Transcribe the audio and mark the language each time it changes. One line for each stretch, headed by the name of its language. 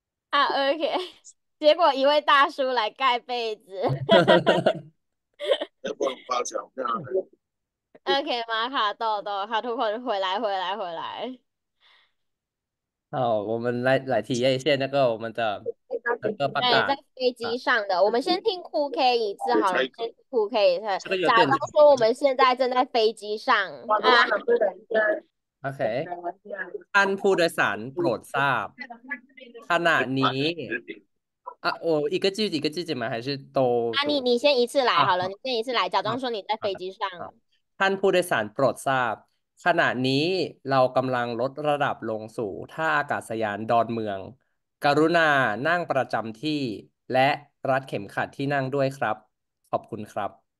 Chinese: 啊，OK，结果一位大叔来盖被子，哈哈哈哈哈。OK，马卡豆豆，卡兔坤回来，回来，回来。好，我们来体验一下那个我们的那个八嘎。对，在飞机上的，我们先听酷 K 一次好了，先酷 K 一次。这个有假点。如说我们现在正在飞机上啊。
Thai: OK，ท่านผู้โดยสารโปรดทราบขณะนี้อ่ะโออีกจีอีกจีจะมาหรือโต อันนี้
Chinese: 你先一次来好了你先一次来假装说你在飞机上
Thai: ท่านผู้โดยสารโปรดทราบขณะนี้เรากำลังลดระดับลงสู่ท่าอากาศยานดอนเมืองกรุณานั่งประจำที่และรัดเข็มขัดที่นั่งด้วยครับขอบคุณครับ